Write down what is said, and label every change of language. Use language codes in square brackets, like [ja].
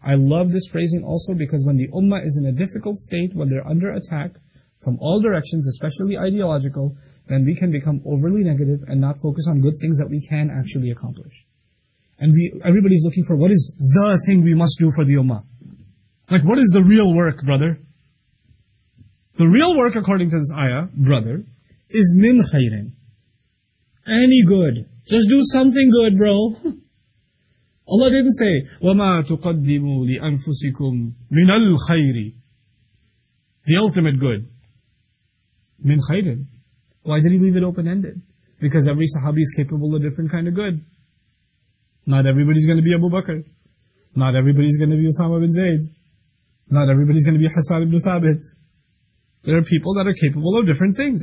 [en] I love this phrasing also because when the ummah is in a difficult state, when they're under attack from all directions, especially ideological, then we can become overly negative and not focus on good things that we can actually accomplish. And everybody's looking for what is the thing we must do for the ummah. Like, what is the real work, brother? The real work, according to this ayah, brother, is min khayrin. Any good. Just do something good, bro. Allah didn't say, [ar] وَمَا تُقَدِّمُوا لِأَنفُسِكُمْ مِنَ الْخَيْرِ. [en] The ultimate good. [ar] مِنْ خَيْرٍ. [en] Why did he leave it open-ended? Because every sahabi is capable of different kind of good. Not everybody's going to be Abu Bakr. Not everybody's going to be Usama bin Zayd. Not everybody's going to be Hassan ibn Thabit. There are people that are capable of different things.